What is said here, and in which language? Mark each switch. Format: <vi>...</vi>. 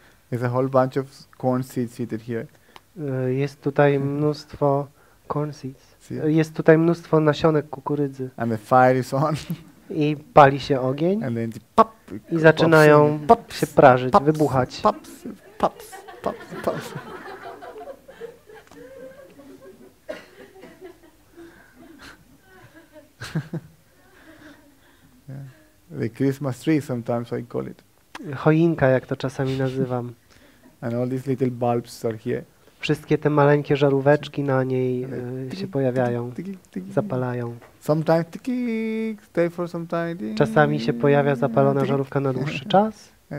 <en>There's a whole bunch of corn seeds seated here.</en> <pl>Jest tutaj mnóstwo</pl> <en>corn seeds.</en> <pl>Jest tutaj mnóstwo nasionek kukurydzy.</pl> <en>And the fire is on.</en> <pl>I pali się ogień.</pl> <en>And then pop,</en> <pl>i zaczynają pops, się prażyć, pops, wybuchać.</pl> <en>Pops, pops, pops, pops. Yeah. The Christmas tree sometimes I call it.</en> <pl>Choinka, jak to czasami nazywam.</pl> <en>And all these little bulbs are here.</en> <pl>Wszystkie te maleńkie żaróweczki na niej się pojawiają, zapalają.</pl> <en>Sometimes tiki, stay for some time.</en> <pl>Czasami się pojawia zapalona żarówka na dłuższy czas.</pl>